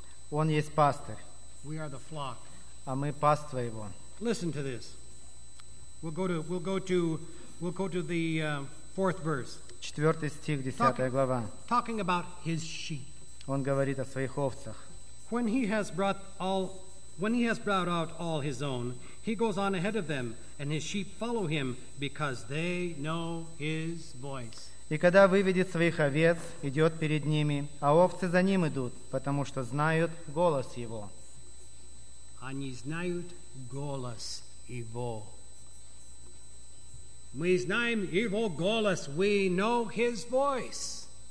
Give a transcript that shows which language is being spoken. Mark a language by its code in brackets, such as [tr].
[ru] Он есть пастырь. [en] We are the flock. [ru] А мы паства его. [en] Listen to this. We'll go to the fourth verse. [ru] Четвертый стих, десятая глава. [en] Talking about his sheep. [ru] Он говорит о своих овцах. [en] When he has brought out all his own, he goes on ahead of them, and his sheep follow him because they know his voice. [ru] И когда выведет своих овец, идет перед ними, а овцы за ним идут, потому что знают голос его. Они знают голос его. Мы знаем его голос. [en] We know his voice.